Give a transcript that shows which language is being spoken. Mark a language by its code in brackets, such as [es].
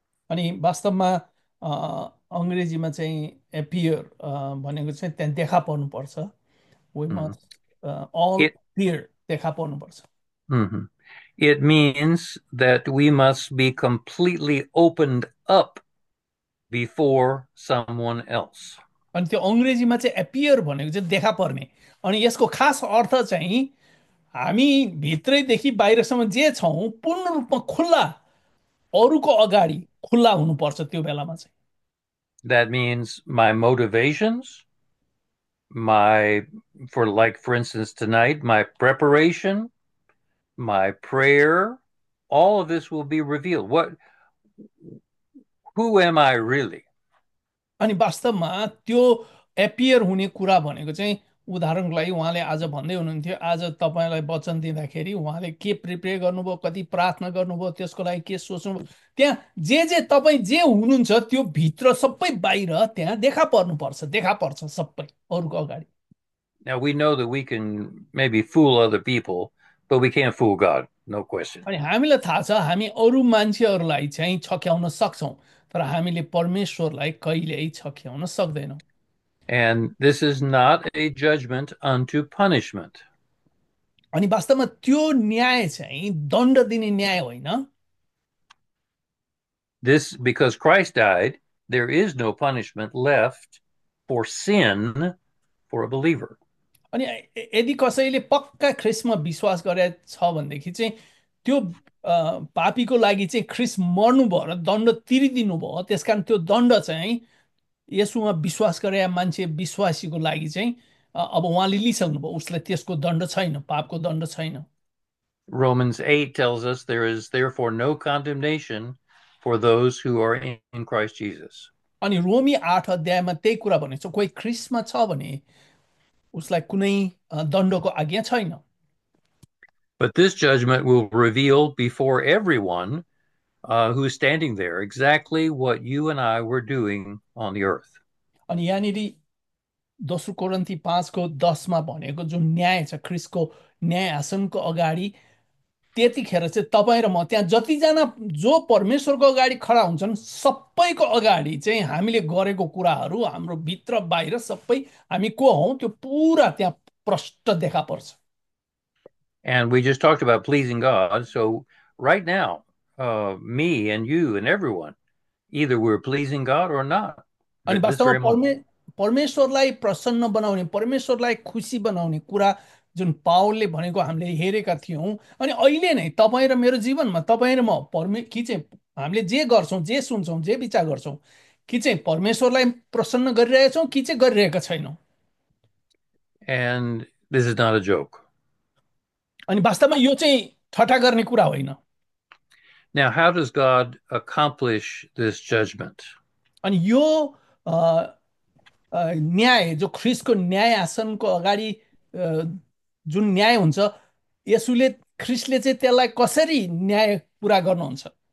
[ne] अनि वास्तवमा अङ्ग्रेजीमा चाहिँ एपियर भनेको चाहिँ त्यहाँ देखा पर्नुपर्छ। [en] we must appear [ne] देखा पर्नुपर्छ। [en] It means that we must be completely opened up before someone else. [ne] अनि त्यो अङ्ग्रेजीमा चाहिँ एपियर भनेको चाहिँ देखा पर्ने, अनि यसको खास अर्थ चाहिँ हामी भित्रैदेखि बाहिरसम्म जे छौँ पूर्ण रूपमा खुल्ला अरूको अगाडि खुल्ला हुनुपर्छ त्यो बेलामा चाहिँ। [en] That means my motivations, for instance, tonight, my preparation, my prayer, all of this will be revealed. Who am I really? [ne] अनि वास्तवमा त्यो एपियर हुने कुरा भनेको चाहिँ उदाहरणको लागि उहाँले आज भन्दै हुनुहुन्थ्यो, आज तपाईँलाई वचन दिँदाखेरि उहाँले के प्रिपेयर गर्नुभयो, कति प्रार्थना गर्नुभयो, त्यसको लागि के सोच्नुभयो, त्यहाँ जे जे तपाईँ जे हुनुहुन्छ त्यो भित्र सबै बाहिर त्यहाँ देखा पर्नुपर्छ, देखा पर्छ सबै अरूको अगाडि। [en] Now we know that we can maybe fool other people, but we can't fool God, no question. [ne] अनि हामीलाई थाहा छ हामी अरू मान्छेहरूलाई चाहिँ छक्याउन सक्छौँ, तर हामीले परमेश्वरलाई कहिल्यै छक्याउन सक्दैनौँ। [en] And this is not a judgment unto punishment. [ne] अनि वास्तवमा त्यो न्याय चाहिँ दण्ड दिने न्याय होइन, [en] This, because Christ died, there is no punishment left for sin for a believer. [ne] अनि यदि कसैले पक्का ख्रिस्टमा विश्वास गरे छ भनेदेखि चाहिँ त्यो पापीको लागि चाहिँ ख्रिस्ट मर्नुभयो र दण्ड तिरिदिनु भयो, त्यसकारण त्यो दण्ड चाहिँ यसुमा विश्वास गरे मान्छे विश्वासीको लागि चाहिँ अब उहाँले लिइसक्नुभयो, उसलाई त्यसको दण्ड छैन, पापको दण्ड छैन। [en] Romans 8 tells us there is therefore no condemnation for those who are in Christ Jesus. [ne] अनि रोमी 8 अध्यायमा त्यही कुरा भनेको छ, कोही ख्रिस्टमा छ भने उसलाई कुनै दण्डको आज्ञा छैन। [en] But this judgment will reveal before everyone who is standing there exactly what you and I were doing on the earth. [ne] अनि यहाँनिर दोस्रो कोरन्थी 5:10मा भनेको जुन न्याय छ ख्रिस्टको न्याय आसनको अगाडि, त्यतिखेर चाहिँ तपाईँ र म त्यहाँ जतिजना जो परमेश्वरको अगाडि खडा हुन्छन् सबैको अगाडि चाहिँ हामीले गरेको कुराहरू हाम्रो भित्र बाहिर सबै हामी को हौ त्यो पुरा त्यहाँ प्रष्ट देखा पर्छ। [en] And we just talked about pleasing God. So right now, me and you and everyone, either we're pleasing God or not, [ne] अनि [en] this [ne] वास्तवमा [en] very moment. [ne] परमेश्वरलाई प्रसन्न बनाउने, परमेश्वरलाई खुसी बनाउने कुरा जुन पावलले भनेको हामीले हेरेका थियौँ, अनि अहिले नै तपाईँ र मेरो जीवनमा तपाईँ र म परमे कि चाहिँ हामीले जे गर्छौँ, जे सुन्छौँ, जे विचार गर्छौँ, कि चाहिँ परमेश्वरलाई प्रसन्न गरिरहेछौँ कि चाहिँ गरिरहेका छैनौँ। [en] And this is not a joke. [ne] अनि वास्तवमा यो चाहिँ ठट्टा गर्ने कुरा होइन। [en] Now, how does God accomplish this judgment? [ne] अनि यो न्याय जो ख्रिस्टको न्याय आसनको अगाडि जुन न्याय हुन्छ, यसुले ख्रिस्टले चाहिँ त्यसलाई कसरी न्याय पुरा गर्नुहुन्छ?